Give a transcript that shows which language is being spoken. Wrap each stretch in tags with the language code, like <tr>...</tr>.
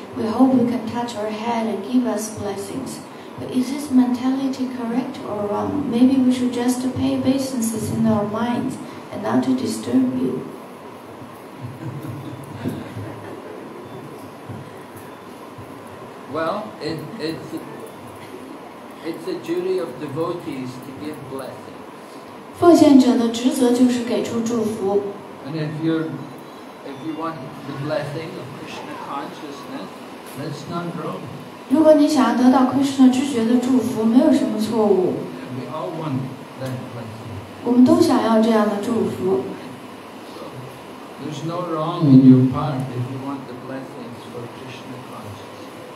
<en>We hope we can touch our head and give us blessings. But is this mentality correct or wrong? Maybe we should just pay obeisances in our minds and not to disturb you. Well, it's the duty of devotees to give blessings.</en> <zh>奉献者的职责就是给出祝福。</zh> <en>And if you want the blessing of Krishna consciousness, that's not wrong.</en> <zh>如果你想要得到 Krishna 知觉的祝福，没有什么错误。</zh> <en>We all want that blessing.</en> <zh>我们都想要这样的祝福。</zh> <en>So, there's no wrong in your part if you want the blessings for Krishna consciousness.</en>